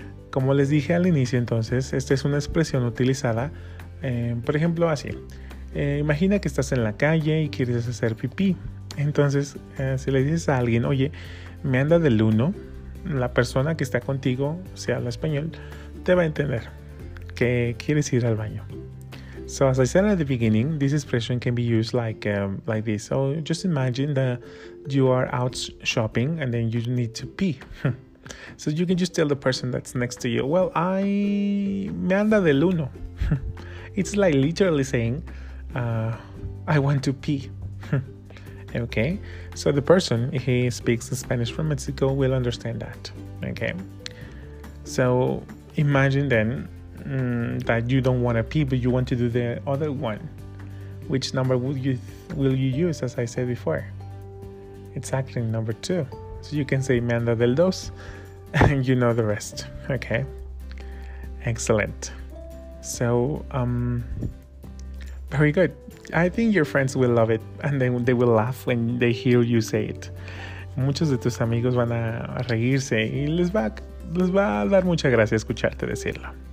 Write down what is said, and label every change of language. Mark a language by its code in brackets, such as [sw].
[es] Como les dije al inicio, entonces, esta es una expresión utilizada, por ejemplo, así. Imagina que estás en la calle y quieres hacer pipí. Entonces, si le dices a alguien, oye, me anda del uno, la persona que está contigo, si habla español, te va a entender que quieres ir al baño. [en] So, as I said at the beginning, this expression can be used like this. So, just imagine that you are out shopping and then you need to pee. So you can just tell the person that's next to you, well, [es] me anda del uno. [en] It's like literally saying, I want to pee. okay? So the person, if he speaks Spanish from Mexico, will understand that, okay? So imagine then that you don't want a P, but you want to do the other one. Which number will you use, as I said before? Exactly, number two. So you can say [es] manda del dos, [en] and you know the rest, okay? Excellent. So, very good. I think your friends will love it, and they will laugh when they hear you say it. [es] Muchos de tus amigos van a reírse y les va a dar mucha gracia escucharte decirlo.